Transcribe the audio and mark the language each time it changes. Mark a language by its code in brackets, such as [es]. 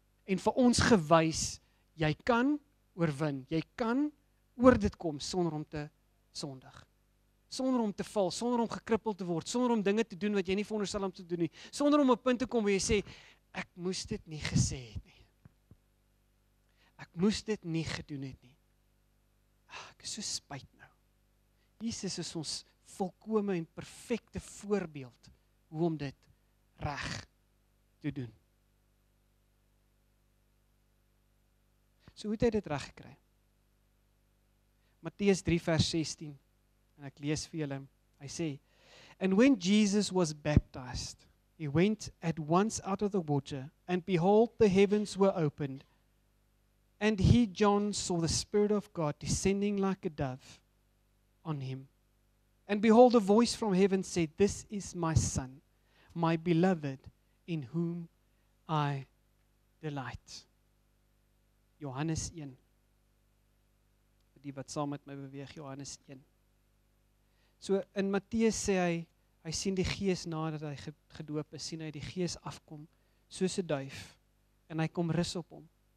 [af] En vir ons gewys, jy kan oorwin, jy kan oor dit kom sonder om te sondig. Sonder om te val, sonder om gekrippeld te word, sonder om dinge te doen wat jy nie veronderstel om te doen nie, sonder om op 'n punt te kom waar jy sê, ek moes dit nie gesê het nie. Ek moes dit nie gedoen het nie. Ek is so spyt nou. Jesus is ons volkome en perfekte voorbeeld hoe om dit reg te doen. So hoe het hy dit reg gekry? Matteus 3 vers 16. En ek lees vir julle, hy sê, [en] And when Jesus was baptized, he went at once out of the water, and behold, the heavens were opened, and he, John, saw the Spirit of God descending like a dove on him. And behold, a voice from heaven said, This is my Son, my beloved, in whom I delight. [af] Johannes 1. Vir die wat saam met my beweeg, Johannes 1. So in Matteus sê hy, hy sien die gees nadat hy gedoop is, sien hy die gees afkom, soos 'n duif, en hy kom rus op hom.